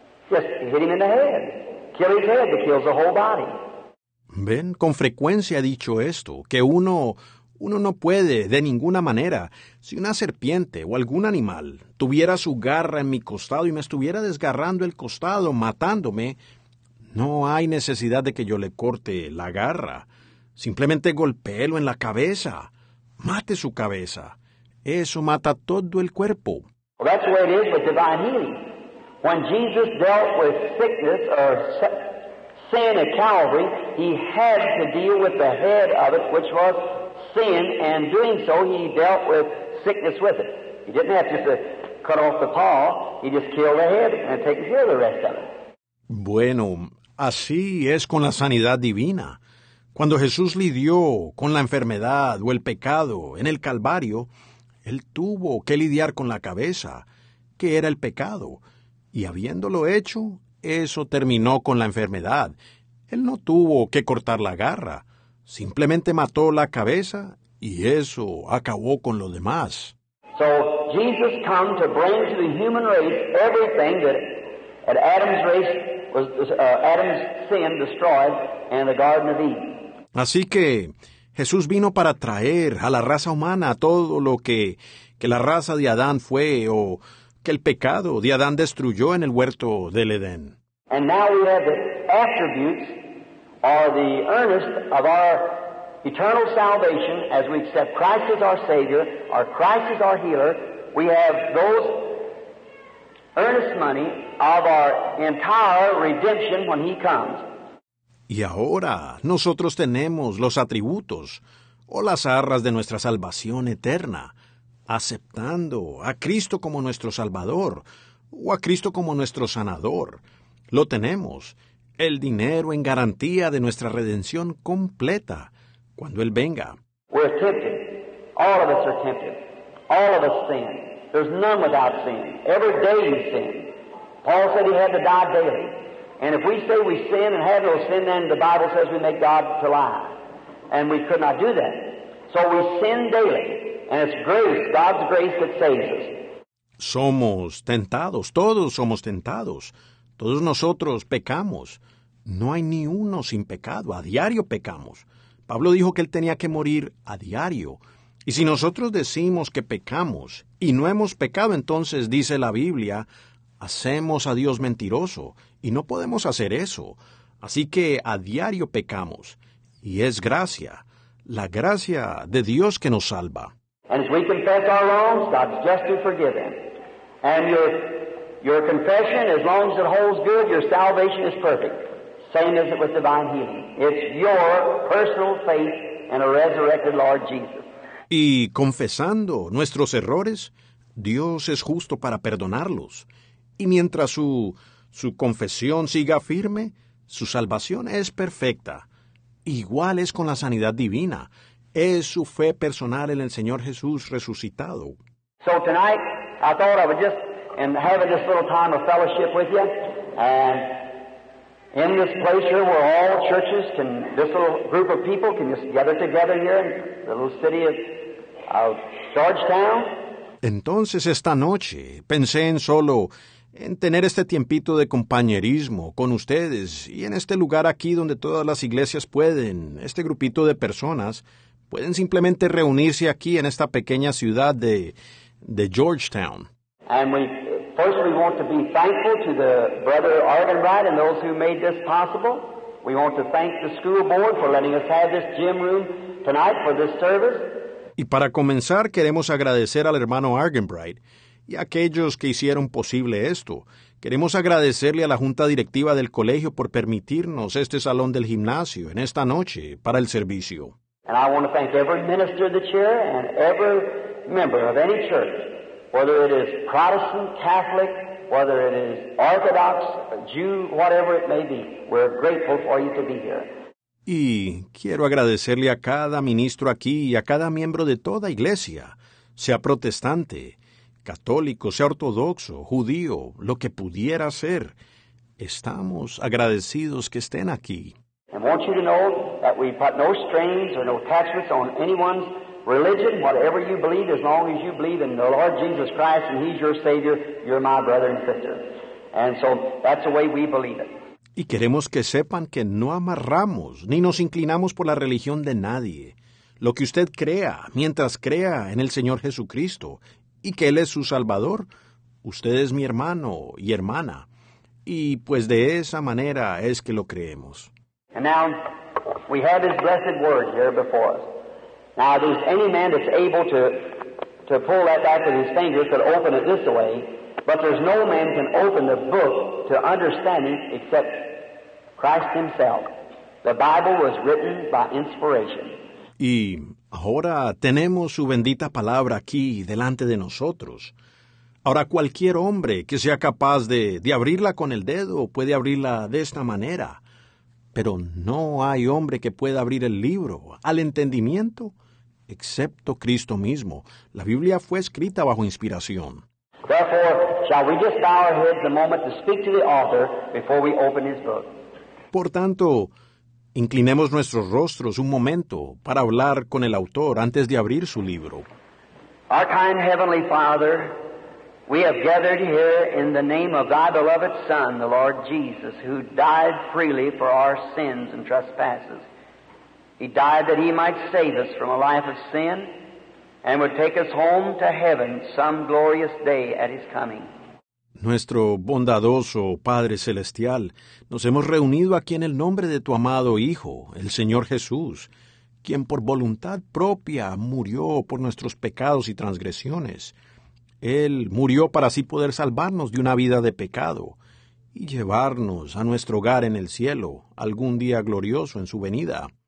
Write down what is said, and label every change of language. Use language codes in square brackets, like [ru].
[en] Just hit him in the head. Kill his head, but kills the whole body. [es] Ben, con frecuencia ha dicho esto, que uno no puede, de ninguna manera, si una serpiente o algún animal tuviera su garra en mi costado y me estuviera desgarrando el costado, matándome, no hay necesidad de que yo le corte la garra. Simplemente golpéelo en la cabeza. Mate su cabeza. Eso mata todo el cuerpo. [en] Well, that's the way it is with divine healing. When Jesus dealt with sickness or sin at Calvary, he had to deal with the head of it, which was sin, and doing so, he dealt with sickness with it. He didn't have just to cut off the paw, he just killed the head and taken care of the rest of it. [es] Bueno, así es con la sanidad divina. Cuando Jesús lidió con la enfermedad o el pecado en el Calvario, Él tuvo que lidiar con la cabeza, que era el pecado. Y habiéndolo hecho, eso terminó con la enfermedad. Él no tuvo que cortar la garra. Simplemente mató la cabeza y eso acabó con lo demás. [en] So Jesus came to bring to the human race everything that at Adam's race was Adam's sin destroyed in the Garden of Eden. [es] Así que Jesús vino para traer a la raza humana todo lo que la raza de Adán fue o que el pecado de Adán destruyó en el huerto del Edén. [en] And now we have the attributes or the earnest of our eternal salvation as we accept Christ as our Savior, or Christ as our healer. We have those earnest money of our entire redemption when He comes. [es] Y ahora nosotros tenemos los atributos o las arras de nuestra salvación eterna, aceptando a Cristo como nuestro Salvador o a Cristo como nuestro Sanador. Lo tenemos, el dinero en garantía de nuestra redención completa cuando Él venga. [en] We're tempted. All of us are tempted. All of us sin. There's none without sin. Every day we sin. Paul said he had to die daily. And if we say we sin and have no sin, then the Bible says we make God to lie. And we could not do that. So we sin daily. And it's grace, God's grace that saves us. [es] Somos tentados. Todos somos tentados. Todos nosotros pecamos. No hay ni uno sin pecado. A diario pecamos. Pablo dijo que él tenía que morir a diario. Y si nosotros decimos que pecamos y no hemos pecado, entonces dice la Biblia, hacemos a Dios mentiroso, y no podemos hacer eso. Así que a diario pecamos, y es gracia, la gracia de Dios que nos salva. [en] And as we confess our wrongs, God's just to forgive them. And your confession, as long as it holds good, your salvation is perfect. same as it was divine healing. It's your personal faith in a resurrected Lord Jesus. [es] Y confesando nuestros errores, Dios es justo para perdonarlos. Y mientras su confesión siga firme, su salvación es perfecta. Igual es con la sanidad divina. Es su fe personal en el Señor Jesús resucitado. [en] So tonight, I thought I would just and have this little time of fellowship with you. And in this place here where all churches can, this little group of people can just gather together here in the little city of Georgetown. [es] Entonces esta noche pensé en solo en tener este tiempito de compañerismo con ustedes y en este lugar aquí donde todas las iglesias pueden, este grupito de personas, pueden simplemente reunirse aquí en esta pequeña ciudad de Georgetown. [en] And we want to be thankful to the brother Arvinwright and those who made this possible. We want to thank the school board for letting us have this gym room tonight for this service. [es] Y para comenzar, queremos agradecer al hermano Argenbright y a aquellos que hicieron posible esto. Queremos agradecerle a la junta directiva del colegio por permitirnos este salón del gimnasio en esta noche para el servicio. [en] And I want to thank every minister of the chair and every member of any church, whether it is Protestant, Catholic, whether it is Orthodox, Jew, whatever it may be. We're grateful for you to be here. [es] Y quiero agradecerle a cada ministro aquí y a cada miembro de toda iglesia, sea protestante, católico, sea ortodoxo, judío, lo que pudiera ser. Estamos agradecidos que estén aquí. [en] And want you to know that we put no strings or no attachments on anyone's religion, whatever you believe, as long as you believe in the Lord Jesus Christ and He's your Savior, you're my brother and sister. And so that's the way we believe it. [es] Y queremos que sepan que no amarramos ni nos inclinamos por la religión de nadie. Lo que usted crea, mientras crea en el Señor Jesucristo y que Él es su Salvador, usted es mi hermano y hermana. Y pues de esa manera es que lo creemos. [en] And now, we have His blessed word here before us. Now, if there's any man that's able to pull that back with his fingers, could open it this way. But there's no man can open the book to understanding except Christ Himself. The Bible was written by inspiration. [es] Y ahora tenemos su bendita palabra aquí delante de nosotros. Ahora cualquier hombre que sea capaz de abrirla con el dedo puede abrirla de esta manera. Pero no hay hombre que pueda abrir el libro al entendimiento excepto Cristo mismo. La Biblia fue escrita bajo inspiración. [en] Therefore, shall we just bow our heads a moment to speak to the author before we open his book. [es] Por tanto, inclinemos nuestros rostros un momento para hablar con el autor antes de abrir su libro. [en] Our kind Heavenly Father, we have gathered here in the name of Thy beloved Son, the Lord Jesus, who died freely for our sins and trespasses. He died that He might save us from a life of sin, and would take us home to heaven some glorious day at His coming. [es] Nuestro bondadoso Padre Celestial, nos hemos reunido aquí en el nombre de Tu amado Hijo, el Señor Jesús, quien por voluntad propia murió por nuestros pecados y transgresiones. Él murió para así poder salvarnos de una vida de pecado y llevarnos a nuestro hogar en el cielo algún día glorioso en su venida.